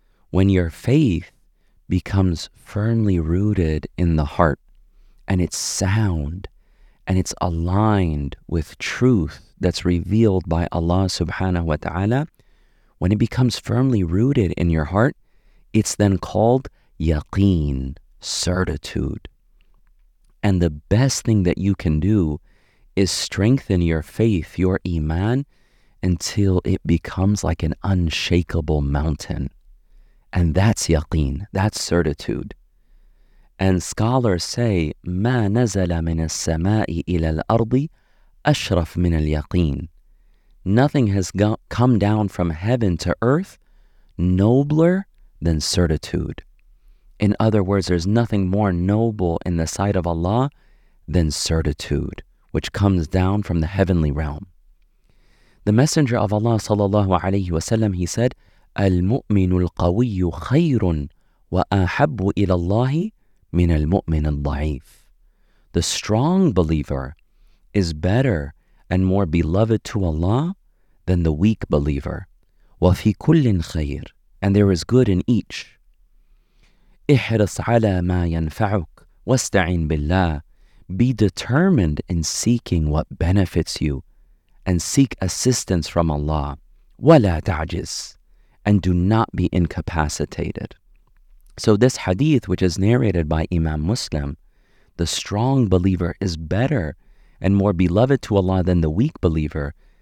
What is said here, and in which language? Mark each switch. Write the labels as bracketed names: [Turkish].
[English] When your faith becomes firmly rooted in the heart and it's sound and it's aligned with truth that's revealed by Allah subhanahu wa ta'ala, when it becomes firmly rooted in your heart, it's then called yaqeen, certitude. And the best thing that you can do is strengthen your faith, your imān, until it becomes like an unshakable mountain. And that's yaqeen, that's certitude. And scholars say, [Arabic] مَا نَزَلَ مِنَ السَّمَاءِ إِلَى الْأَرْضِ أَشْرَفْ مِنَ الْيَقِينِ. [English] Nothing has come down from heaven to earth nobler than certitude. In other words, there's nothing more noble in the sight of Allah than certitude, which comes down from the heavenly realm. The Messenger of Allah sallallahu alayhi wa sallam, he said, [Arabic] المؤمن القوي خير وأحب إلى الله من المؤمن الضعيف. [English] The strong believer is better and more beloved to Allah than the weak believer. [Arabic] وفي كل خير, [English] and there is good in each. [Arabic] احرص على ما ينفعك واستعين بالله. [English] Be determined in seeking what benefits you and seek assistance from Allah. [Arabic] ولا تعجز, [English] and do not be incapacitated. So this hadith, which is narrated by Imam Muslim, the strong believer is better and more beloved to Allah than the weak believer.